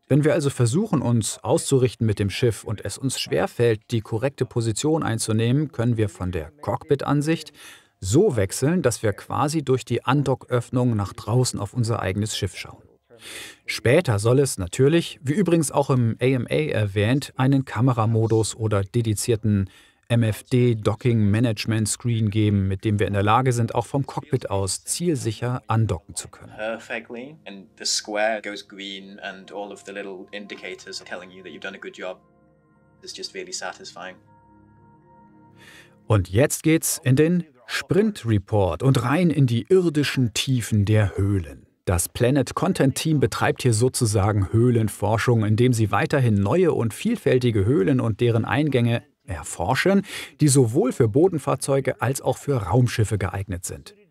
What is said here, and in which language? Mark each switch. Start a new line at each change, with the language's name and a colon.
German: Wenn wir also versuchen, uns auszurichten mit dem Schiff und es uns schwerfällt, die korrekte Position einzunehmen, können wir von der Cockpit-Ansicht so wechseln, dass wir quasi durch die Andocköffnung nach draußen auf unser eigenes Schiff schauen. Später soll es natürlich, wie übrigens auch im AMA erwähnt, einen Kameramodus oder dedizierten MFD Docking Management Screen geben, mit dem wir in der Lage sind, auch vom Cockpit aus zielsicher andocken zu können.
English: Perfectly. And the square goes green and all of the little indicators are telling you that you've done a good job. It's just really satisfying.
German: Und jetzt geht's in den Sprint Report und rein in die irdischen Tiefen der Höhlen. Das Planet Content Team betreibt hier sozusagen Höhlenforschung, indem sie weiterhin neue und vielfältige Höhlen und deren Eingänge erforschen, die sowohl für Bodenfahrzeuge als auch für Raumschiffe geeignet sind.